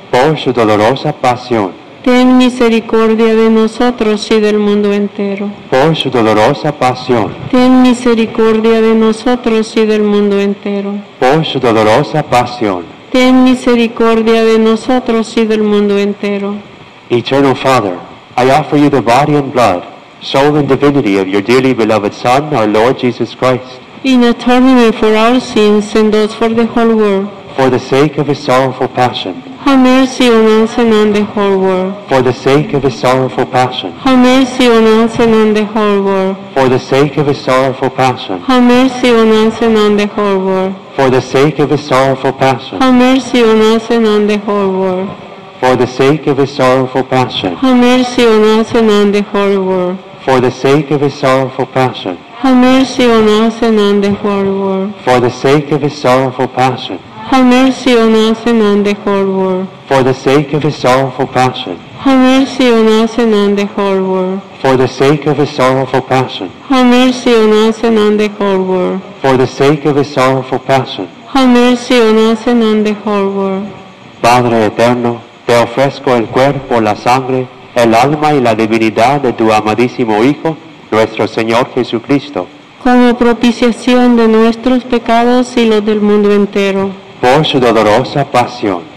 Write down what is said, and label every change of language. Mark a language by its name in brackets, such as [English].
[Spanish] Por su dolorosa pasión, ten misericordia de nosotros y del mundo entero. Por su dolorosa pasión, ten misericordia de nosotros y del mundo entero. Por su dolorosa pasión, ten misericordia de nosotros y del mundo entero. [English] Eternal Father, I offer you the body and blood, soul and divinity of your dearly beloved Son, our Lord Jesus Christ, in atonement for our sins and those for the whole world. For the sake of His sorrowful passion, have mercy on us and on the whole world. For the sake of His sorrowful passion, have mercy on us and on the whole world. For the sake of His sorrowful passion, have mercy on us and on the whole world. For the sake of His sorrowful passion, have mercy on us and on the whole world. For the sake of His sorrowful passion, have mercy on us and on the whole world. For the sake of His sorrowful passion, have mercy on us and on the whole world. For the sake of His sorrowful passion, Have mercy on us and on the whole world. For the sake of his sorrowful passion. Have mercy on us and on the whole world. For the sake of his sorrowful passion. Have mercy on us and on the whole world. For the sake of his sorrowful passion. Have mercy on us and on the whole world. [Spanish] Padre eterno, te ofrezco el cuerpo, la sangre, el alma y la divinidad de tu amadísimo Hijo, nuestro Señor Jesucristo. Como propiciación de nuestros pecados y los del mundo entero. Por su dolorosa pasión.